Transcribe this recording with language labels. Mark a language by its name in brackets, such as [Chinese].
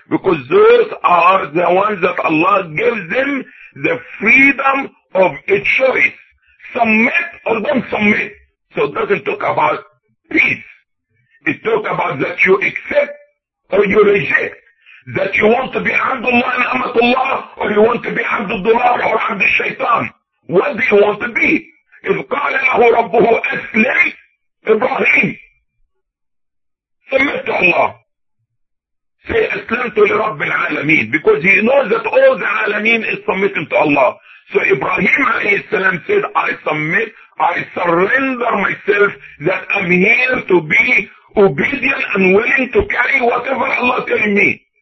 [English] because those are the ones that Allah gives them the freedom of a choice. Submit or don't submit. So it doesn't talk about peace. It talks about that you accept or you reject. That you want to be Abdullah and Amatullah, or you want to be Abdullah or Abd al-Shaytan. What do you want to be? [Arabic] If قَالَ لَهُ رَبُّهُ أَسْلِمْ إِبْرَاهِيمُ [English] Submit to Allah. Say [Arabic] أَسْلَمْ لِرَبِّ الْعَالَمِينَ [English] Because he knows that all the alameen is submitting to Allah. So Ibrahim a.s. said, I submit, I surrender myself that I'm here to be obedient and willing to carry whatever Allah tells me.